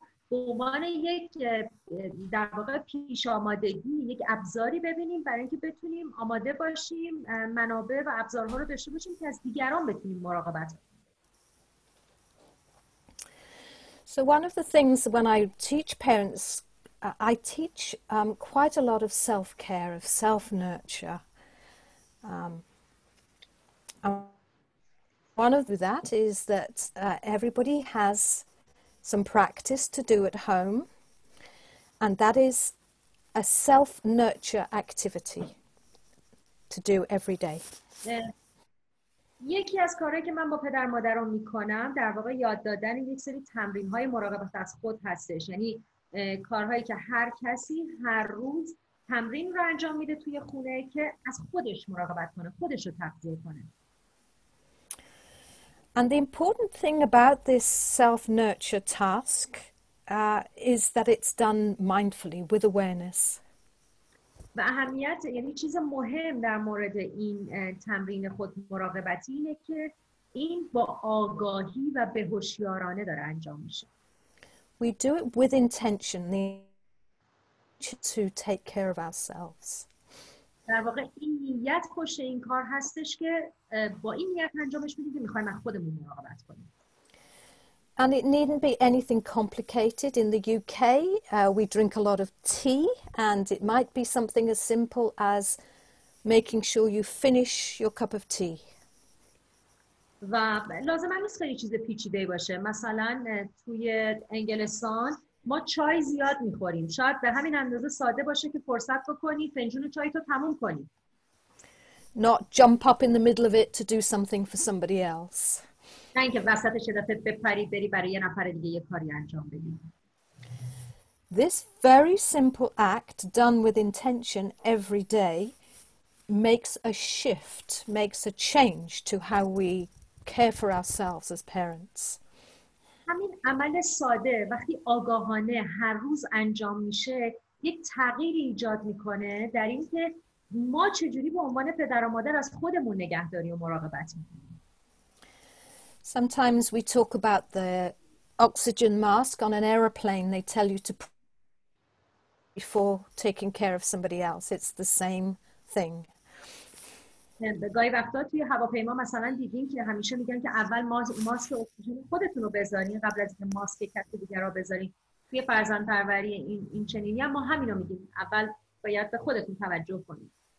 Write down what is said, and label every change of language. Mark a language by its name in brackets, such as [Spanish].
[Persian] به عنوان یک در واقع پیش آمادگی، یک ابزاری ببینیم برای اینکه بتونیم آماده باشیم، منابع و ابزارها رو داشته باشیم که از دیگران بتونیم مراقبت کنیم. [English] So one of the things when I teach parents, I teach quite a lot of self-care, of self-nurture. One of that is that everybody has some practice to do at home, and that is a self-nurture activity to do every day. Yeah. [Persian] یکی از کارهایی که من با پدر مادران میکنم در واقع یاد دادن یک سری تمرین های مراقبت از خود هستش، یعنی کارهایی که هر کسی هر روز تمرین رو انجام میده توی خونه که از خودش مراقبت کنه، خودش رو تغذیه کنه. [English] And the important thing about this self-nurture task is that it's done mindfully with awareness. [Persian] و اهمیت، یعنی چیز مهم در مورد این تمرین خود مراقبتی اینه که این با آگاهی و به هوشیارانه داره انجام میشه. [English] We do it with intention to take care of ourselves. [Persian] در واقع این نیت پشت این کار هستش که با این نیت انجامش میدیم که میخوایم از خودمون مراقبت کنیم. [English] And it needn't be anything complicated. In the UK, we drink a lot of tea, and it might be something as simple as making sure you finish your cup of tea. [Persian] و لازم نیست خیلی چیز پیچیده باشه. مثلا توی انگلستان ما چای زیاد می‌خوریم. شاید به همین اندازه ساده باشه که فرصت بکنی فنجون چای تو تموم کنی. [English] Not jump up in the middle of it to do something for somebody else. [Persian] نه اینکه وسطش دفعه بپری بری برای یه نفر دیگه یه کاری انجام بدی. [English] This very simple act done with intention every day makes a shift, makes a change to how we care for ourselves as parents. [Persian] همین عمل ساده وقتی آگاهانه هر روز انجام میشه یک تغییری ایجاد میکنه در اینکه ما چجوری به عنوان پدر و مادر از خودمون نگهداری و مراقبت میکنیم. [English] Sometimes we talk about the oxygen mask on an aeroplane. They tell you to put before taking care of somebody else. It's the same thing. [Persian] گاهی وقتا توی هواپیما مثلا دیدیم که همیشه میگن که اول ماسک اکسیژن خودتون رو بذارین قبل از اینکه ماسک کس دیگر رو بذارین. توی فرزند پروری این چنینی هم ما همین رو میگیم. اول باید به خودتون توجه کنید.